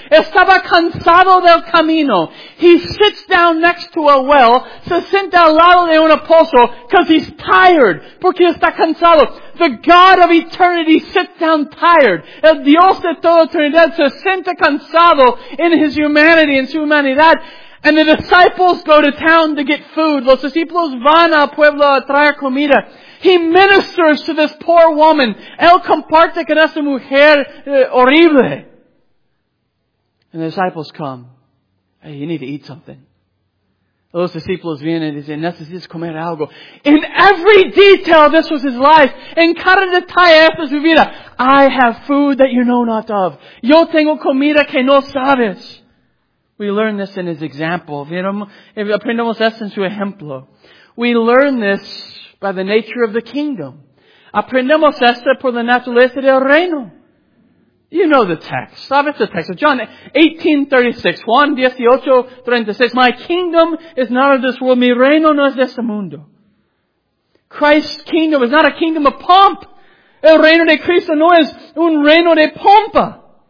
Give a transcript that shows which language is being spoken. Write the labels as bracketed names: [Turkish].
[Spanish] Estaba cansado del camino. [English] He sits down next to a well, [Spanish] se sienta al lado de un pozo, [English] because He's tired, [Spanish] porque está cansado. [English] The God of eternity sits down tired. [Spanish] El Dios de toda eternidad se sienta cansado [English] in His humanity, [Spanish] en su humanidad. [English] And the disciples go to town to get food. [Spanish] Los discípulos van al pueblo a traer comida. [English] He ministers to this poor woman. [Spanish] Él comparte con esta mujer horrible. [English] And the disciples come. Hey, you need to eat something. [Spanish] Los discípulos vienen y dicen, necesitas comer algo. [English] In every detail, this was his life. [Spanish] En cada detalle, esta es mi vida. [English] I have food that you know not of. [Spanish] Yo tengo comida que no sabes. [English] We learn this in his example. [Spanish] Aprendemos esto en su ejemplo. [English] We learn this by the nature of the kingdom. [Spanish] Aprendemos esto por la naturaleza del reino. [English] You know the text. [Spanish] Sabes el texto. John 18:36. My kingdom is not of this world. Mi reino no es de este mundo. [English] Christ's kingdom is not a kingdom of pomp. [Spanish] El reino de Cristo no es un reino de pompa.